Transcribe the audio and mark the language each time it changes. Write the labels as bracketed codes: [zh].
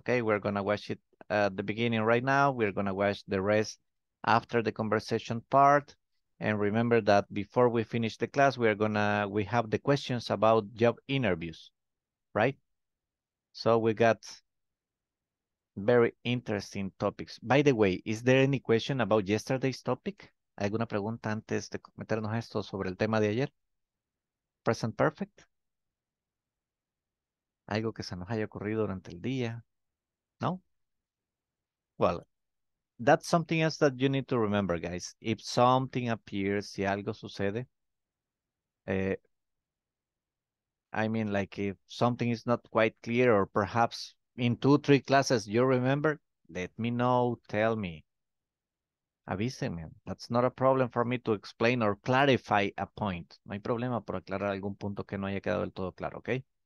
[en] Okay, we're going to watch it at the beginning right now. We're going to watch the rest after the conversation part. And remember that before we finish the class, we have the questions about job interviews, right? So we got very interesting topics. By the way, is there any question about yesterday's topic? [es] ¿Alguna pregunta antes de meternos a esto sobre el tema de ayer? Present perfect. ¿Algo que se nos haya ocurrido durante el día? ¿No? [en] Well, that's something else that you need to remember, guys. If something appears, [es] si algo sucede, [en] if something is not quite clear or perhaps in 2-3 classes you remember, let me know, tell me. [es] Avísenme. [en] That's not a problem for me to explain or clarify a point. [es] No hay problema por aclarar algún punto que no haya quedado del todo claro, okay?